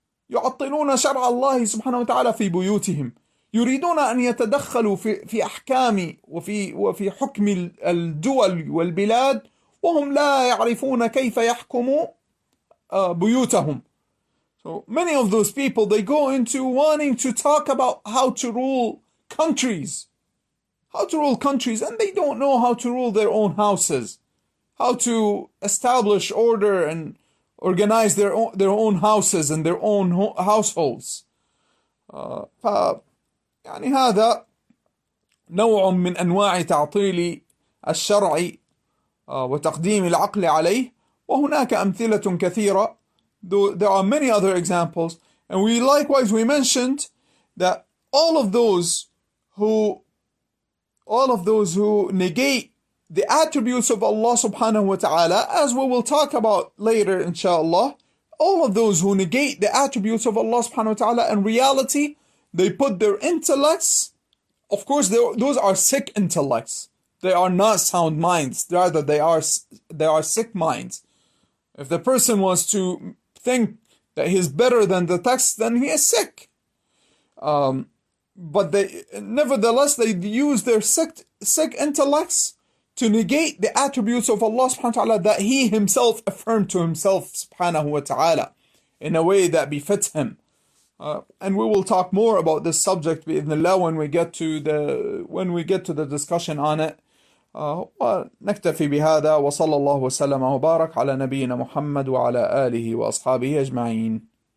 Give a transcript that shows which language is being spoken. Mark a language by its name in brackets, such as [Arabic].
[Arabic] يعطلون شرع الله سبحانه وتعالى في بيوتهم، يريدون أن يتدخلوا في أحكام وفي حكم الدول والبلاد وهم لا يعرفون كيف يحكموا بيوتهم. [English] So many of those people, they go into wanting to talk about how to rule countries, and they don't know how to rule their own houses, how to establish order and organize their own houses and their own households. [Arabic] يعني هذا نوع من أنواع تعطيل الشرع وتقديم العقل عليه. وهناك أمثلة كثيرة. [English] There are many other examples, and we mentioned that all of those who negate the attributes of Allah subhanahu wa ta'ala, as we will talk about later inshallah, all of those who negate the attributes of Allah subhanahu wa ta'ala, in reality, they put their intellects, of course, those are sick intellects. They are not sound minds. Rather, they are sick minds. If the person wants to think that he is better than the text, then he is sick. But they use their sick intellects to negate the attributes of Allah subhanahu wa ta'ala that he himself affirmed to himself subhanahu wa ta'ala in a way that befits him. And we will talk more about this subject بإذن الله when we get to the discussion on it. [Arabic] ونكتفي بهذا. وصلى الله وسلم وبارك على نبينا محمد وعلى آله وأصحابه أجمعين.